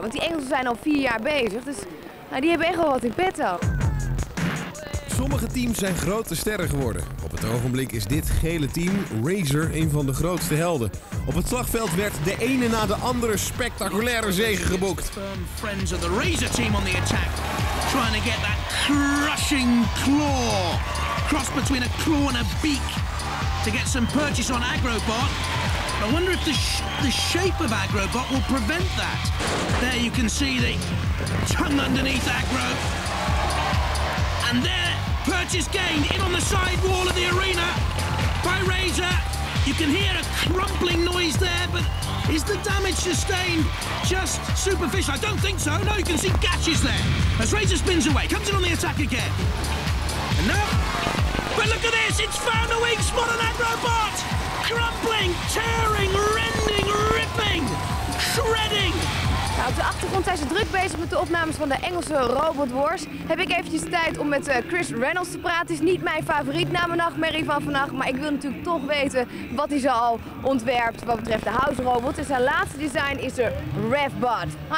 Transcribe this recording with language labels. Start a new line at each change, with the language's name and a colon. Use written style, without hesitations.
Dutch: Want die Engelsen zijn al 4 jaar bezig. Dus nou, die hebben echt wel wat in petto. Sommige teams zijn grote sterren geworden. Op het ogenblik is dit gele team, Razor, een van de grootste helden. Op het slagveld werd de ene na de andere spectaculaire zege geboekt.
English: Friends of the Razor team on the attack. Trying to get that crushing claw. Cross between a claw and a beak. To get some purchase on Agrobot. I wonder if the shape of Agrobot will prevent that. There you can see the tongue underneath Agro. And there, purchase gained in on the side wall of the arena by Razor. You can hear a crumpling noise there, but is the damage sustained just superficial? I don't think so. No, you can see gashes there as Razor spins away, comes in on the attack again. And now, but look at this, it's found a weak spot on Agrobot. Crumpling, tearing, rending. shredding!
Dutch: Nou, op de achtergrond zijn ze druk bezig met de opnames van de Engelse Robot Wars. Heb ik eventjes tijd om met Chris Reynolds te praten. Het is niet mijn favoriet na mijn nachtmerrie van vannacht. Maar ik wil natuurlijk toch weten wat hij zoal ontwerpt wat betreft de House Robot. En zijn laatste design is de RevBot.